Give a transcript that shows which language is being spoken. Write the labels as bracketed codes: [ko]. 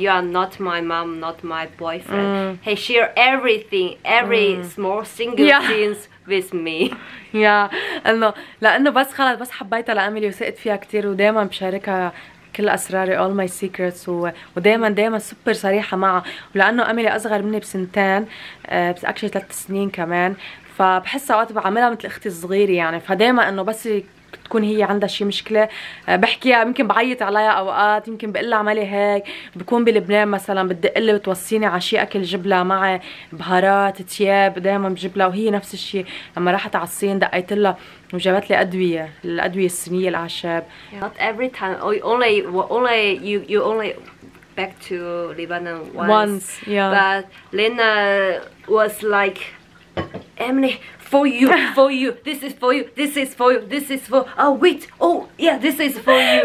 [en] You are not my mom, not my boyfriend. Mm. He share everything, every small single things with me. Yeah. [ar] إنه لأنه بس خلاص بس حبيتها لأميلي وثقت فيها كتير ودائما بشاركها كل أسراري [en] all my secrets [ar] ودائما دائما سوبر صريحة معها ولأنه أميلي أصغر مني بسنتين بس أكشي 3 سنين كمان فبحس أوقات بعملها مثل أختي الصغيرة يعني فدائما إنه بس تكون هي عندها شي مشكله بحكيها يمكن بعيط عليها اوقات يمكن بقول لها اعملي هيك بكون بلبنان مثلا بدي اقول لها توصيني على شي اكل جبله مع بهارات ثياب دائما بجبله وهي نفس الشيء لما راحت على الصين دقيت لها وجابت لي ادويه الادويه الصينيه الاعشاب [en] not every time only you only back to Lebanon once yeah. but Lena was like Emily for you this is for you this is for oh wait oh yeah this is for you